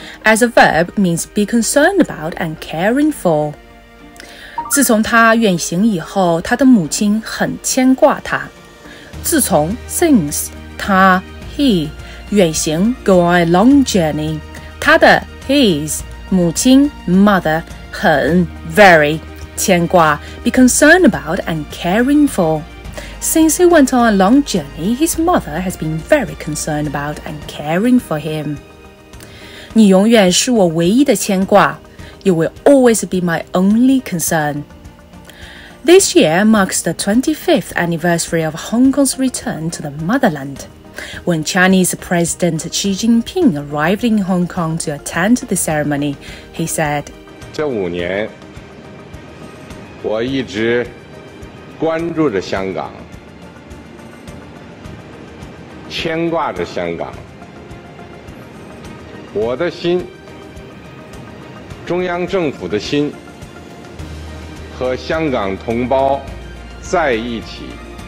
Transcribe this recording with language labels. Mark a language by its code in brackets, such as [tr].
[en] As a verb means be concerned about and caring for. [zh] 自从他远行以后，他的母亲很牵挂他。 [en] 自从 since, 他 he, 远行 go on a long journey. 他的 his, 母亲 mother, 很 very,牵挂 be concerned about and caring for. Since he went on a long journey, his mother has been very concerned about and caring for him. [zh] 你永远是我唯一的牵挂。 [en] You will always be my only concern. This year marks the 25th anniversary of Hong Kong's return to the motherland. When Chinese President Xi Jinping arrived in Hong Kong to attend the ceremony, he said, [zh] 这五年我一直关注着香港，牵挂着香港，我的心，中央政府的心，和香港同胞在一起。